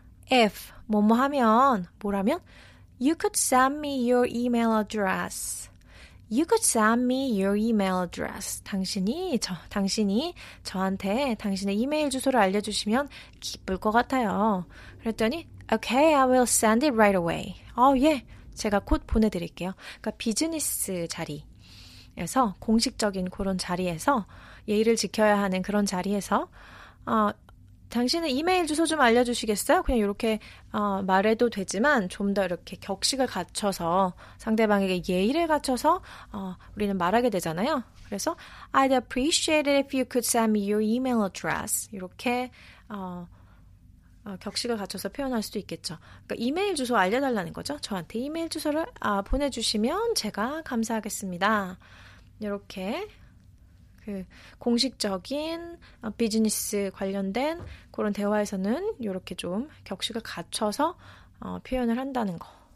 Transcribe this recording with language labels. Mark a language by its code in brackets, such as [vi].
[en] If [ko] 뭐뭐 하면 뭐라면 [en] You could send me your email address. You could send me your email address. [ko] 당신이 저한테 당신의 이메일 주소를 알려주시면 기쁠 것 같아요. 그랬더니, [en] Okay, I will send it right away. [ko] 제가 곧 보내드릴게요. 그러니까 비즈니스 자리에서, 공식적인 그런 자리에서, 예의를 지켜야 하는 그런 자리에서, 당신의 이메일 주소 좀 알려주시겠어요? 그냥 이렇게 말해도 되지만 좀 더 이렇게 격식을 갖춰서 상대방에게 예의를 갖춰서 우리는 말하게 되잖아요. 그래서 [en] I'd appreciate it if you could send me your email address. [ko] 이렇게 격식을 갖춰서 표현할 수도 있겠죠. 그러니까 이메일 주소 알려달라는 거죠. 저한테 이메일 주소를 보내주시면 제가 감사하겠습니다. 이렇게 그 공식적인 비즈니스 관련된 그런 대화에서는 이렇게 좀 격식을 갖춰서 표현을 한다는 거.